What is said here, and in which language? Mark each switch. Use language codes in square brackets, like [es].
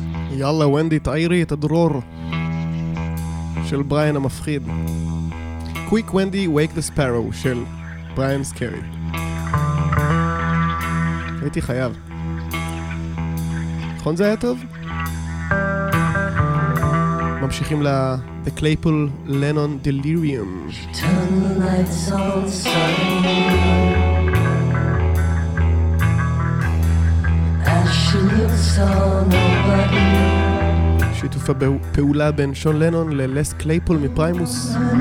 [he] יאללה ונדי, תעירי את הדרור של בריאן המפחיד. [en] Quick Wendy, Wake the Sparrow [he] של בריאן סקרי. הייתי חייב. נכון זה היה טוב? ממשיכים ל The Claypool Lennon Delirium. [en] Turn the lights on suddenly as she looks on nobody. [he] שיתוף הפעולה בין שון לנון ללס קלייפול מפריימוס.